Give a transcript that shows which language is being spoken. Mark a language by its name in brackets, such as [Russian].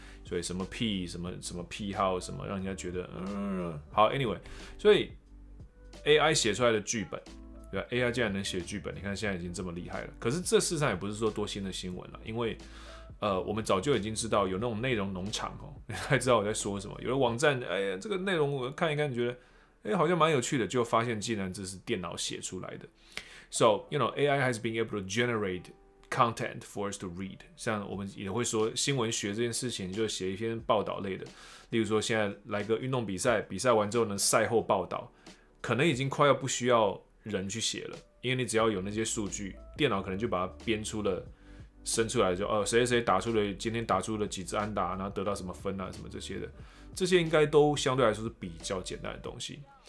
[Chinese] 所以什么癖，什么癖好，什么让人家觉得好 ，anyway， 所以 AI 写出来的剧本，对吧 ？AI 竟然能写剧本，你看现在已经这么厉害了。可是这事实上也不是说多新的新闻了，因为我们早就已经知道有那种内容农场哦，还知道我在说什么。有的网站，哎呀，这个内容我看一看，觉得好像蛮有趣的，就发现竟然这是电脑写出来的。 [English] So you know, AI has been able to generate content for us to read. [Chinese] 像我们也会说新闻学这件事情，就写一篇报道类的。例如说，现在来个运动比赛，比赛完之后呢，赛后报道，可能已经快要不需要人去写了，因为你只要有那些数据，电脑可能就把它编出了、生出来就，就哦，谁谁打出了今天打出了几支安打，然后得到什么分啊，什么这些的，这些应该都相对来说是比较简单的东西。